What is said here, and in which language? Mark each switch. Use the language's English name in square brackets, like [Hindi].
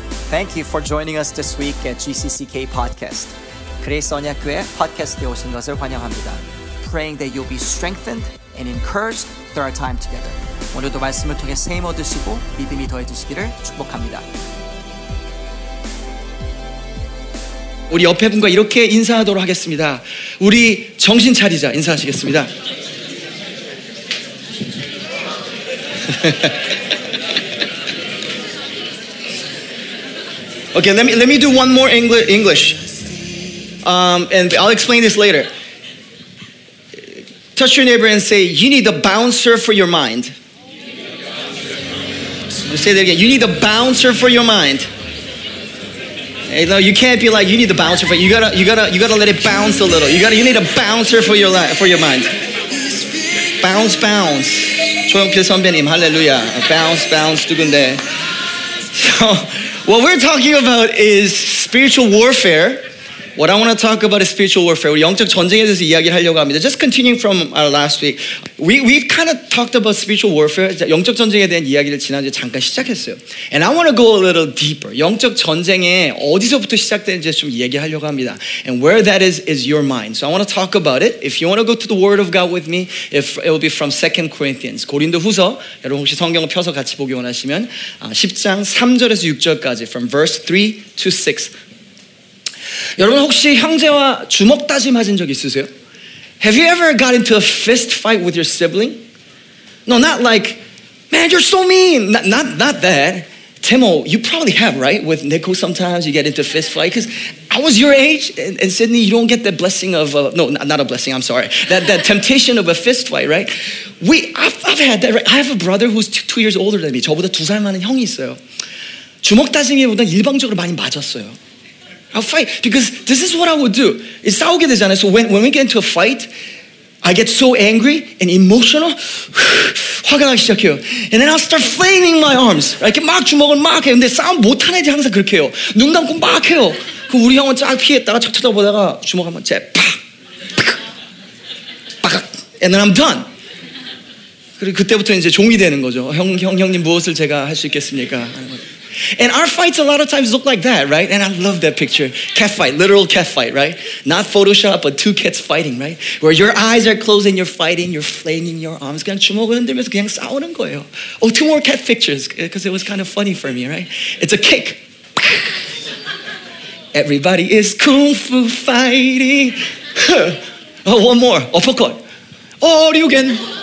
[English] Thank you for joining us this week at GCCK Podcast. [Korean] 그레이스 언약교회 팟캐스트에 오신 것을 환영합니다. [English] Praying that you'll be strengthened and encouraged through our time together. [Korean] 오늘도 말씀을 통해 세임 얻으시고 믿음이 더해지시기를 축복합니다. 우리 옆에 분과 이렇게 인사하도록 하겠습니다. 우리 정신 차리자 인사하시겠습니다. [English] 오케이, let me do one more English. And I'll explain this later. Touch your neighbor and say, you need a bouncer for your mind. I'll say that again. You need a bouncer for your mind. You know, you can't be like, you need a bouncer for, you gotta let it bounce a little. You need a bouncer for your life, for your mind. Bounce, bounce. [Korean] 조영필 선배님, 할렐루야. [English] Bounce, bounce, [Korean] 누군데. [English] So, what we're talking about is spiritual warfare. What I want to talk about is spiritual warfare. [Korean] 영적 전쟁에 대해서 이야기를 하려고 합니다. [English] Just continuing from our last week. We've kind of talked about spiritual warfare. [Korean] 영적 전쟁에 대한 이야기를 지난주에 잠깐 시작했어요. [English] And I want to go a little deeper. [Korean] 영적 전쟁에 어디서부터 시작되는지 좀 얘기하려고 합니다. [English] And where that is your mind. So I want to talk about it. If you want to go to the Word of God with me, it will be from 2 Corinthians. [Korean] 고린도 후서. 여러분 혹시 성경을 펴서 같이 보기 원하시면 10장 3절에서 6절까지 [English] from verse 3 to 6. [Korean] 여러분 혹시 형제와 주먹 다짐 하신 적 있으세요? [English] Have you ever got into a fist fight with your sibling? No, not like, man, you're so mean. Not that. Timo, you probably have, right? With Nico, sometimes you get into a fist fight. Because I was your age, and Sydney, you don't get the blessing of, that temptation of a fist fight, right? I've had that, right? I have a brother who's two years older than me. [Korean] 저보다 두 살 많은 형이 있어요. 주먹 다짐이보다 일방적으로 많이 맞았어요. [English] I'll fight because this is what I would do. [Korean] 싸우게 되잖아요. [English] So when we get into a fight, I get so angry and emotional, [Korean] 화가 나기 시작해요. [English] And then I'll start flaming my arms. [Korean] 이렇게 막 주먹을 막 해요. 근데 싸움 못하는 애들이 항상 그렇게 해요. 눈 감고 막 해요. 그럼 우리 형은 쫙 피했다가 척 쳐다보다가 주먹 한번 쟤 팍! [English] And then I'm done. [Korean] 그리고 그때부터 이제 종이 되는 거죠. 형님 무엇을 제가 할 수 있겠습니까? [English] And our fights a lot of times look like that, right? And I love that picture. Cat fight, literal cat fight, right? Not Photoshop, but two cats fighting, right? Where your eyes are closed and you're fighting, you're flaming your arms. [Korean] 그냥 주먹을 흔들면서 그냥 싸우는 거예요. [English] Oh, two more cat pictures, because it was kind of funny for me, right? It's a kick. Everybody is kung fu fighting. Oh, one more. Uppercut. Oh, you can.